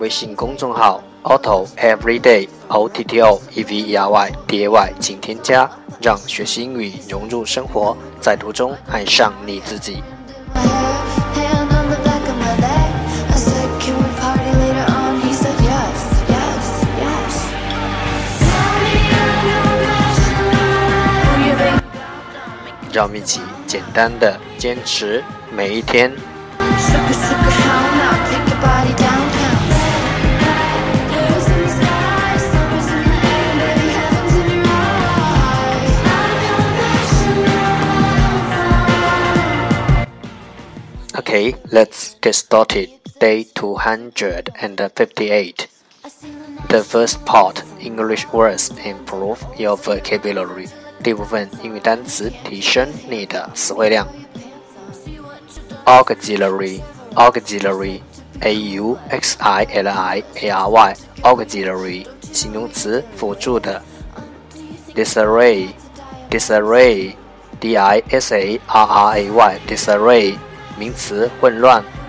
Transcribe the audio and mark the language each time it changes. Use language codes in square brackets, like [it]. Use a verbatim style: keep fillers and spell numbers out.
[zh] 微信公众号 Otto Everyday O T T O E V E R Y D A Y， 请添加，让学习英语融入生活，在途中爱上你自己。 [en] Hand on the back of my leg. I said, can we party later on? He said, yes, yes, yes. Tell me I'm your national anthem. [zh] 让我们一起简单的坚持每一天。 [en] Sugar, sugar, how now? Take your body downtown. Blues in the sky, summers in the air, baby, heaven's in your eyes. I'm your national anthem. Okay, let's get started. Day two hundred fifty-eight. The first part, English words improve your vocabulary. [zh] 第一部分英语单词提升你的词汇量。 [en] Auxiliary, auxiliary, a u x i l i a r y, auxiliary [zh] 形容词辅助的。 [en] Disarray, disarray, d i s a r r a y, disarray [zh] 名词混乱。